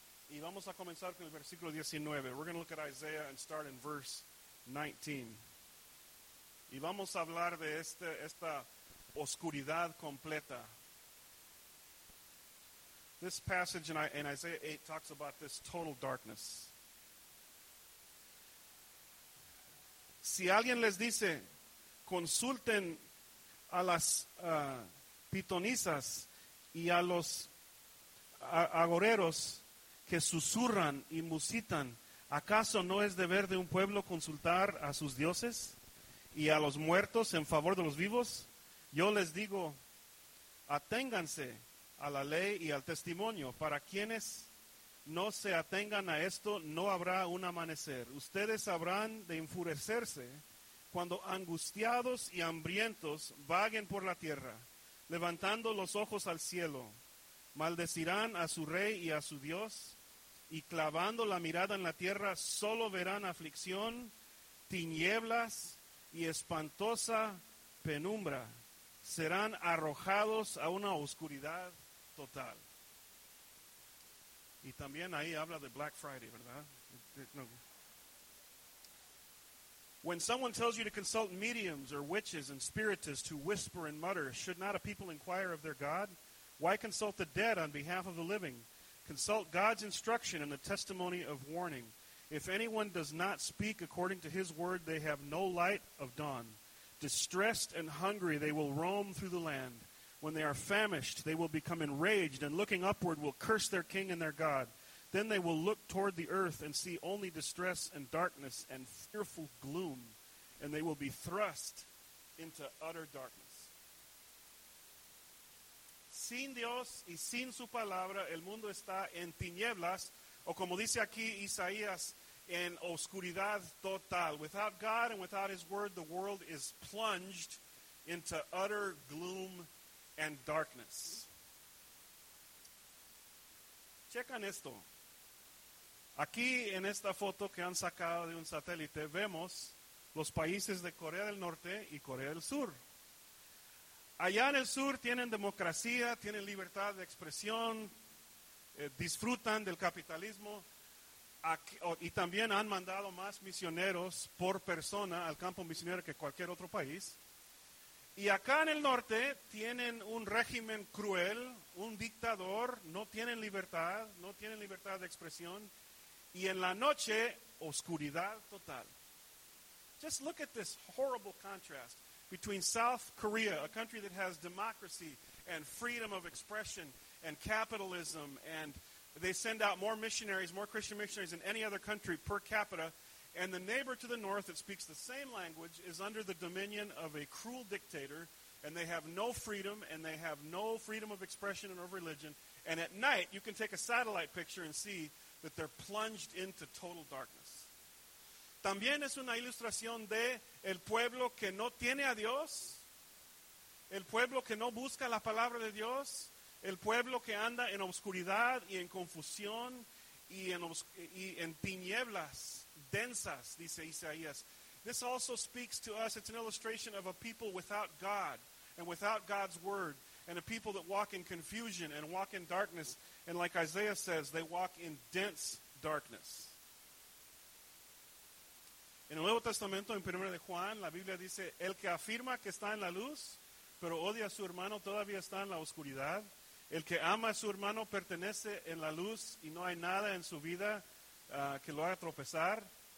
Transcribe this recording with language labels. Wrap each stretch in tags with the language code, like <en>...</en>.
<es>Y vamos a comenzar con el versículo 19.</es> <en>We're going to look at Isaiah and start in verse 19.</en> <es>Y vamos a hablar de esta oscuridad completa.</es> <en>This passage in Isaiah 8 talks about this total darkness.</en> <es>Si alguien les dice, consulten a las pitonisas y a los agoreros que susurran y musitan, ¿acaso no es deber de un pueblo consultar a sus dioses y a los muertos en favor de los vivos? Yo les digo, aténganse a la ley y al testimonio. Para quienes no se atengan a esto, no habrá un amanecer. Ustedes habrán de enfurecerse cuando angustiados y hambrientos vaguen por la tierra, levantando los ojos al cielo. Maldecirán a su rey y a su Dios, y clavando la mirada en la tierra, solo verán aflicción, tinieblas y espantosa penumbra. Serán arrojados a una oscuridad total. Y también ahí habla de Black Friday, ¿verdad? No.</es> <en>When someone tells you to consult mediums or witches and spiritists who whisper and mutter, should not a people inquire of their God? Why consult the dead on behalf of the living? Consult God's instruction and the testimony of warning. If anyone does not speak according to his word, they have no light of dawn. Distressed and hungry, they will roam through the land. When they are famished, they will become enraged, and looking upward will curse their king and their God. Then they will look toward the earth and see only distress and darkness and fearful gloom, and they will be thrust into utter darkness.</en> <es>Sin Dios y sin su palabra, el mundo está en tinieblas, o como dice aquí Isaías, en oscuridad total.</es> <en>Without God and without his word, the world is plunged into utter gloom and darkness.</en> <es>Checan esto. Aquí en esta foto que han sacado de un satélite, vemos los países de Corea del Norte y Corea del Sur. Allá en el sur tienen democracia, tienen libertad de expresión, disfrutan del capitalismo. Aquí, y también han mandado más misioneros por persona al campo misionero que cualquier otro país. Y acá en el norte tienen un régimen cruel, un dictador, no tienen libertad, no tienen libertad de expresión. Y en la noche, oscuridad total.</es> <en>Just look at this horrible contrast between South Korea, a country that has democracy and freedom of expression and capitalism, and they send out more missionaries, more Christian missionaries than any other country per capita, and the neighbor to the north that speaks the same language is under the dominion of a cruel dictator, and they have no freedom, and they have no freedom of expression and of religion, and at night you can take a satellite picture and see that they're plunged into total darkness.</en> <es>También es una ilustración de el pueblo que no tiene a Dios, el pueblo que no busca la palabra de Dios, el pueblo que anda en oscuridad y en confusión y en tinieblas densas, dice Isaías.</es> <en>This also speaks to us. It's an illustration of a people without God and without God's word, and a people that walk in confusion and walk in darkness. And like Isaiah says, they walk in dense darkness.</en> <es>En el Nuevo Testamento, en 1 de Juan, la Biblia dice, el que afirma que está en la luz, pero odia a su hermano, todavía está en la oscuridad. El que ama a su hermano pertenece en la luz y no hay nada en su vida que lo haga tropezar.</es>